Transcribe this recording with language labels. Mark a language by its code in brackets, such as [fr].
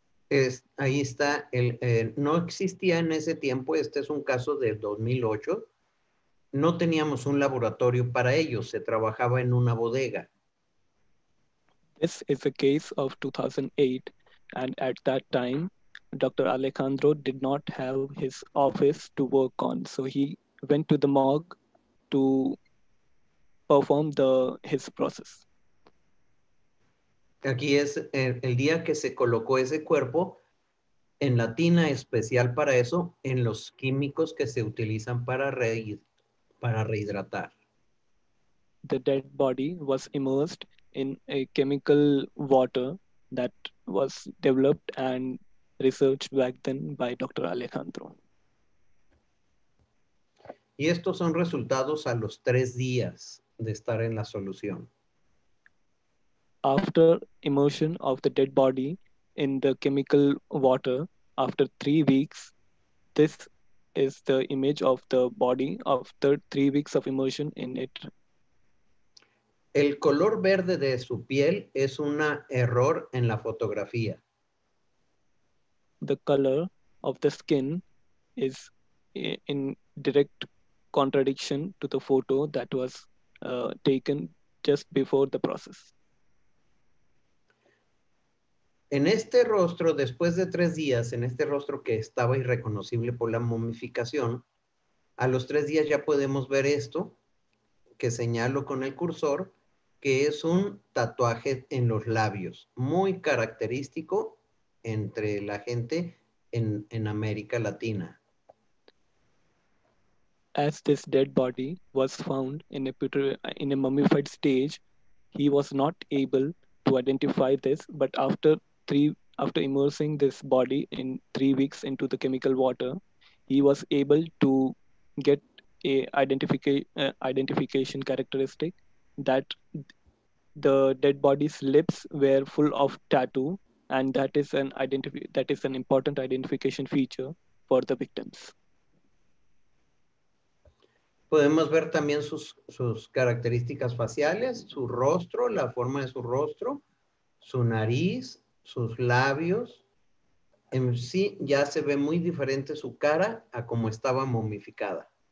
[es] Ahí está, no existía en ese tiempo, este es un caso de 2008, no teníamos un laboratorio para ello, se trabajaba en una bodega. [en] This is a case of 2008, and at that time, Dr. Alejandro did not have his office to work on, so he went to the morgue to perform his process. [es] Aquí es el día que se colocó ese cuerpo en la tina especial para eso, en los químicos que se utilizan para rehidratar. [en] The dead body was immersed in a chemical water that was developed and researched back then by Dr. Alejandro. [es] Y estos son resultados a los 3 días de estar en la solución. [en] After immersion of the dead body in the chemical water, after 3 weeks, this is the image of the body after 3 weeks of immersion in it. [es] El color verde de su piel es una error en la fotografía. [en] The color of the skin is in direct contradiction to the photo that was taken just before the process. [es] En este rostro, después de 3 días, en este rostro que estaba irreconocible por la momificación, a los 3 días ya podemos ver esto, que señalo con el cursor, que es un tatuaje en los labios, muy característico entre la gente en América Latina. [en] As this dead body was found in a mummified stage, he was not able to identify this, but after immersing this body in 3 weeks into the chemical water, he was able to get a identification characteristic that the dead body's lips were full of tattoo, and that is an important identification feature for the victims. [es] Podemos ver también sus características faciales, su rostro, la forma de su rostro, su nariz, sus labios, en sí ya se ve muy diferente su cara a como estaba momificada.